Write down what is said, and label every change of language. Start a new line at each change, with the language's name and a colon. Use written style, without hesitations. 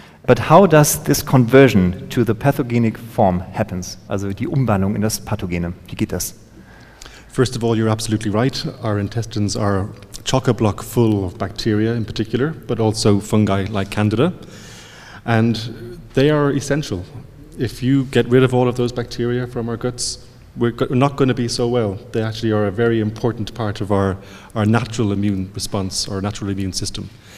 English: But how does this conversion to the pathogenic form happens?
German: Also die Umwandlung in das Pathogene, wie geht das?
English: First of all, you're absolutely right. Our intestines are chock-a-block full of bacteria in particular, but also fungi like Candida. And they are essential. If you get rid of all of those bacteria from our guts, we're not going to be so well. They actually are a very important part of our natural immune response, our natural immune system.